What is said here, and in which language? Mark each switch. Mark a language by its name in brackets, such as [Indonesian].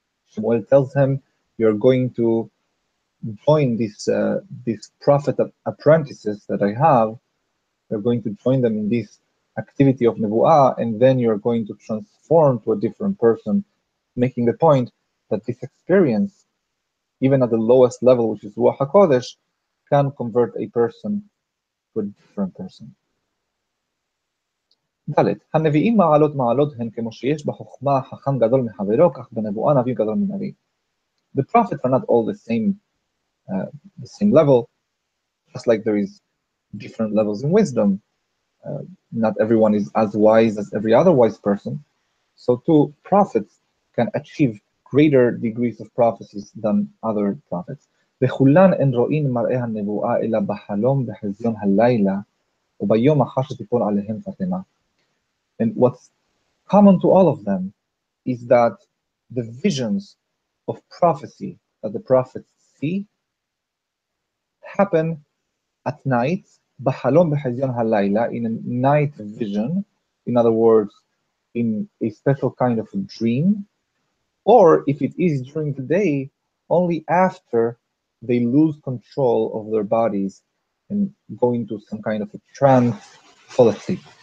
[English] Shemuel tells him, you're going to join this prophet of apprentices that I have, you're going to join them in this activity of Nebuah, and then you're going to transform to a different person, making the point that this experience, even at the lowest level, which is Ruach HaKodesh, can convert a person to a different person. [Hebrew] דלת, הנביאים מעלות מעלות הן כמו שיש בחוכמה חכם גדול מחברו, כך בנבואה נביא גדול מנביא. [English] The prophets are not all the same level, just like there is different levels in wisdom. Not everyone is as wise as every other wise person. So too, prophets can achieve greater degrees of prophecies than other prophets. [Hebrew] וכולן אין רואין מראה הנבואה אלא בחלום בחזיון הלילה וביום אחר שתיפול עליהם פתמה. [English] And what's common to all of them is that the visions of prophecy that the prophets see happen at night, [Hebrew] בחלום בחזיון הלילה, [English] in a night vision, in other words, in a special kind of a dream, or if it is during the day, only after they lose control of their bodies and go into some kind of a trance, fall asleep.